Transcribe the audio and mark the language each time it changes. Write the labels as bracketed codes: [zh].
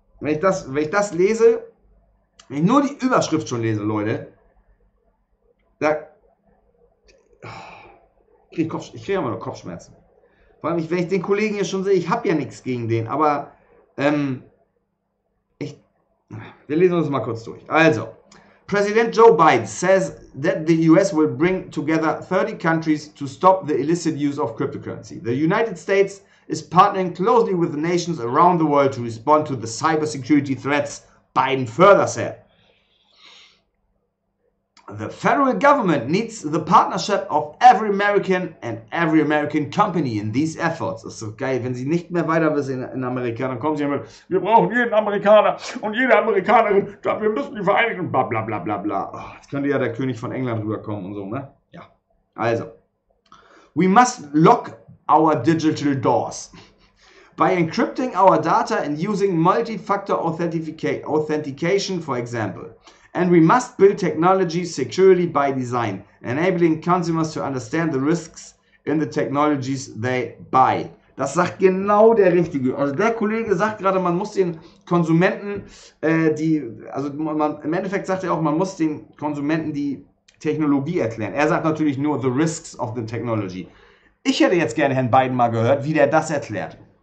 [de] Wenn ich das lese, wenn ich nur die Überschrift schon lese, Leute, da kriege ich immer noch Kopfschmerzen. Vor allem, wenn ich den Kollegen hier schon sehe, ich habe ja nichts gegen den, aber wir lesen uns mal kurz durch. [en] Also, President Joe Biden says that the US will bring together 30 countries to stop the illicit use of cryptocurrency. The United States is partnering closely with the nations around the world to respond to the cybersecurity threats, Biden further said. The federal government needs the partnership of every American and every American company in these efforts. [de] Das ist so geil, wenn sie nicht mehr weiter wissen in Amerika, dann kommen sie immer, wir brauchen jeden Amerikaner und jede Amerikanerin, wir müssen die Vereinigten, bla bla bla bla bla. Oh, jetzt könnte ja der König von England rüberkommen und so, ne? Ja. Also. [en] We must lock our digital doors. By encrypting our data and using multi-factor authentication, for example. And we must build technology securely by design, enabling consumers to understand the risks in the technologies they buy. [de] Das sagt genau der Richtige. Also der Kollege sagt gerade, man muss den Konsumenten, im Endeffekt sagt er auch, man muss den Konsumenten die Technologie erklären. Er sagt natürlich nur [en] the risks of the technology. [de] Ich hätte jetzt gerne Herrn Biden mal gehört, wie der das erklärt.